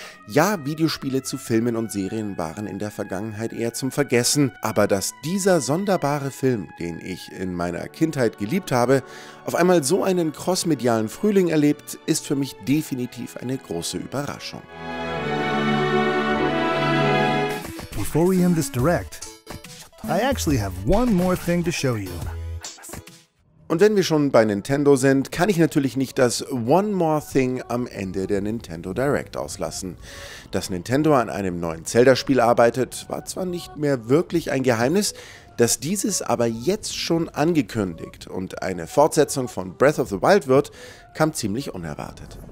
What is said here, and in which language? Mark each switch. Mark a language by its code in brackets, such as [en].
[de] Ja, Videospiele zu Filmen und Serien waren in der Vergangenheit eher zum Vergessen, aber dass dieser sonderbare Film, den ich in meiner Kindheit geliebt habe, auf einmal so einen crossmedialen Frühling erlebt, ist für mich definitiv eine große Überraschung. [en] Before we end this direct, I actually have one more thing to show you. [de] Und wenn wir schon bei Nintendo sind, kann ich natürlich nicht das One More Thing am Ende der Nintendo Direct auslassen. Dass Nintendo an einem neuen Zelda-Spiel arbeitet, war zwar nicht mehr wirklich ein Geheimnis, dass dieses aber jetzt schon angekündigt und eine Fortsetzung von Breath of the Wild wird, kam ziemlich unerwartet.